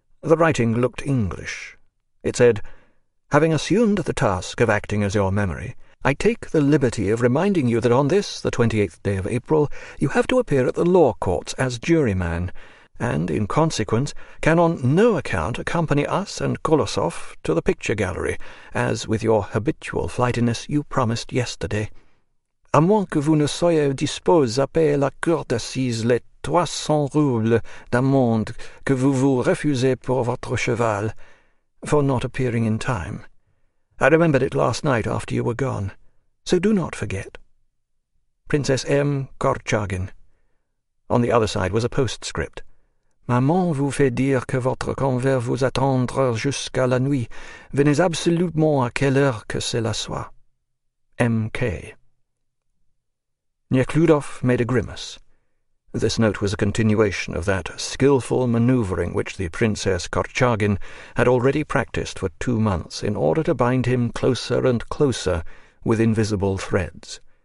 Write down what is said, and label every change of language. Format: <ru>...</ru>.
<en>The writing looked English. It said, "Having assumed the task of acting as your memory, I take the liberty of reminding you that on this, the 28th day of April, you have to appear at the law courts as juryman, and, in consequence, can on no account accompany us and Kolosov to the picture gallery, as, with your habitual flightiness, you promised yesterday.</en> <fr>À moins que vous ne soyez dispose à payer la cour d'assises les 300 roubles d'amende que vous vous refusez pour votre cheval,</fr> <en>for not appearing in time. I remembered it last night after you were gone, so do not forget. Princess M. Korchagin." On the other side was a postscript.</en> <fr>"Maman vous fait dire que votre convoi vous attendra jusqu'à la nuit. Venez absolument à quelle heure que cela soit. M.K."</fr> <en>Nekhludov made a grimace. This note was a continuation of that skilful manoeuvring which the Princess Korchagin had already practised for 2 months in order to bind him closer and closer with invisible threads.</en>